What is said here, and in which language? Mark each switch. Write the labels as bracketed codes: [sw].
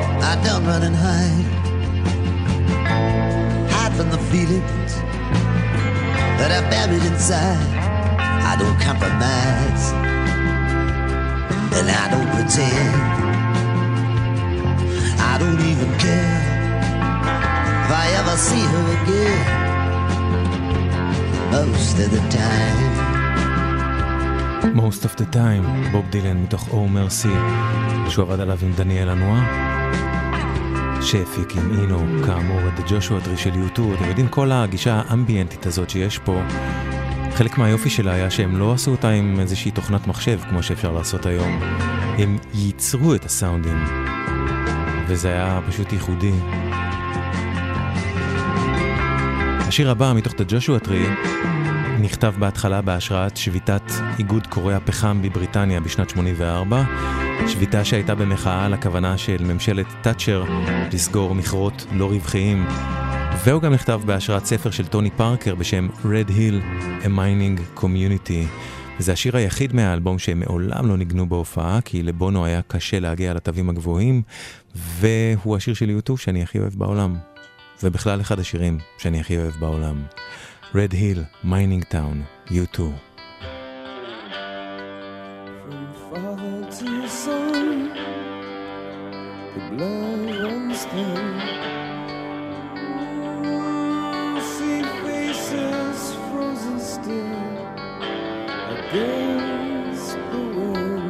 [en] I don't run and hide hide from the feelings that I buried inside I don't compromise and I don't pretend I don't even care If I ever see her again Most of the time [he] Most of the time בוב דילן מתוך Oh Mercy שהוא עבד עליו עם דניאל הנועה שהפיק עם אינו כאמור את ג'ושוע דרי של יוטו אתם יודעים כל הגישה האמביאנטית הזאת שיש פה חלק מהיופי שלה היה שהם לא עשו אותה עם איזושהי תוכנת מחשב כמו שאפשר לעשות היום הם ייצרו את הסאונדים וזה היה פשוט ייחודי השיר הבא מתוך ג'ושוע טרי נכתב בהתחלה בהשראת שביתת איגוד קורי הפחם בבריטניה בשנת 84 שביתה שהייתה במחאה על הכוונה של ממשלת טאצ'ר לסגור מכרות לא רווחיים והוא גם נכתב בהשראת ספר של טוני פארקר בשם Red Hill A Mining Community זה השיר היחיד מהאלבום שמעולם לא ניגנו בהופעה כי לבונו היה קשה להגיע לתווים הגבוהים והוא השיר של יוטוב שאני הכי אוהב בעולם ובכלל אחד השירים שאני הכי אוהב בעולם Red Hill, Mining Town, U2 [en] From father to son The blood runs thin See faces frozen still Against the wind